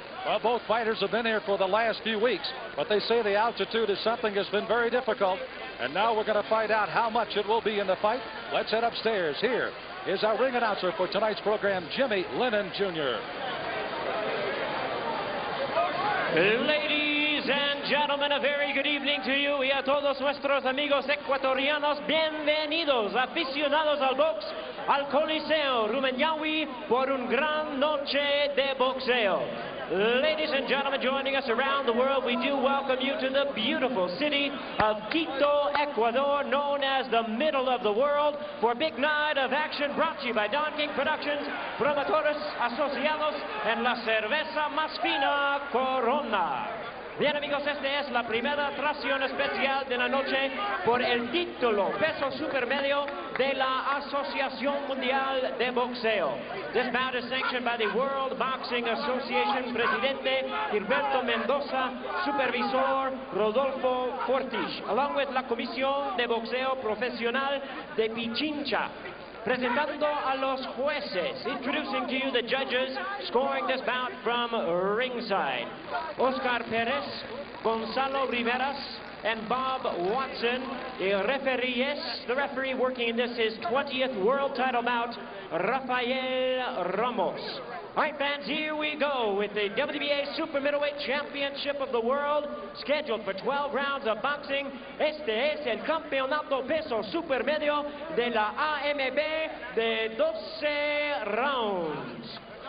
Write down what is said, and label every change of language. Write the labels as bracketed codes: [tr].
[en] Well, both fighters have been here for the last few weeks, but they say the altitude is something that's been very difficult. And now we're going to find out how much it will be in the fight. Let's head upstairs. Here is our ring announcer for tonight's program, Jimmy Lennon Jr. Ladies and gentlemen, a very good evening to you. [es] Y a todos nuestros amigos ecuatorianos, bienvenidos, aficionados al box, al Coliseo Rumenyawi, por un gran noche de boxeo. [en] Ladies and gentlemen, joining us around the world, we do welcome you to the beautiful city of Quito, Ecuador, known as the middle of the world, for a big night of action brought to you by Don King Productions, Promotores Asociados, and La Cerveza Más Fina Corona. [es] Bien, amigos, esta es la primera tracción especial de la noche por el título peso supermedio de la Asociación Mundial de Boxeo. [en] This bout is sanctioned by the World Boxing Association. [es] Presidente Gilberto Mendoza, supervisor Rodolfo Fortich, [en] along with [es] la Comisión de Boxeo Profesional de Pichincha. Presentando a los jueces, [en] introducing to you the judges scoring this bout from ringside. Oscar Perez, Gonzalo Riveras, and Bob Watson, the referee working in this his 20th world title bout, Rafael Ramos. All right, fans, here we go with the WBA Super Middleweight Championship of the World, scheduled for 12 rounds of boxing. [es] Este es el campeonato peso supermedio de la AMB de 12 rounds.